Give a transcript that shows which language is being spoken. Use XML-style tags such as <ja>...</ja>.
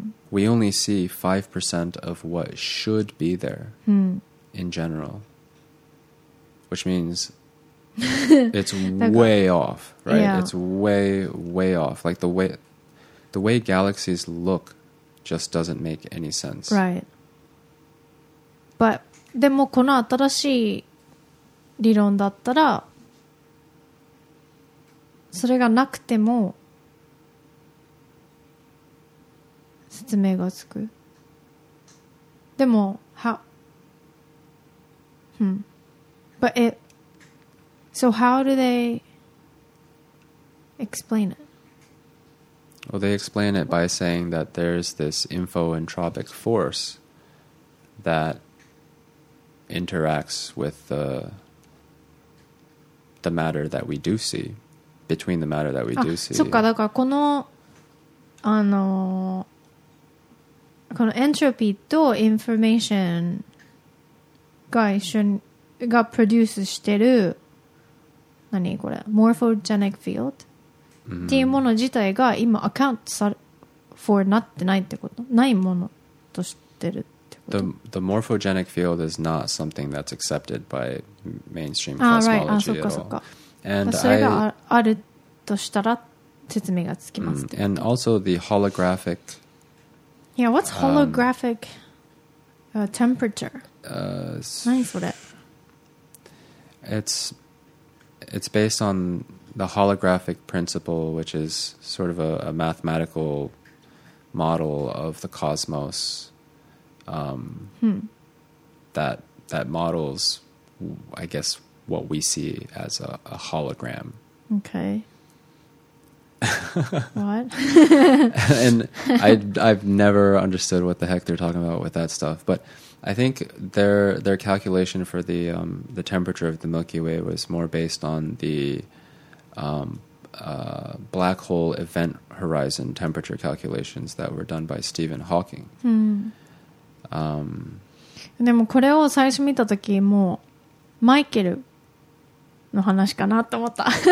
<en>We only see 5% of what should be there in general. Which means it's way off, right? Yeah. It's way, way off. Like the way galaxies look just doesn't make any sense. Right.</en> <ja>But, でもこの新しい理論だったら、それがなくても、説明がつく。</ja> <en>でも、But it. So how do they explain it? Well, they explain it by saying that there's this infoentropic force that interacts with the matter that we do see, between the matter that we do see.</en> <ja>そっか、だからこの、このエントロピーとインフォメーションが一緒にがプロデュースしてる何これ、モーフォジェニックフィールドっていうもの自体が今アカウントされフォーなってないってこと、ないものとしてるってこと。</ja> <en>The morphogenic field is not something that's accepted by mainstream cosmology、 right. at all.</en> <ja>あ、そっかそっか。それがあるとしたら説明がつきますって。</ja> <en>And also the holographic Yeah, what's holographic temperature? It's based on the holographic principle, which is sort of a mathematical model of the cosmos that models, I guess, what we see as a hologram. Okay. What? And I've never understood what the heck they're talking about with that stuff. But I think their calculation for the temperature of the Milky Way was more based on the black hole event horizon temperature calculations that were done by Stephen Hawking.</en> <ja>でもこれを最初見た時もうマイケルの話かなと思った。</ja>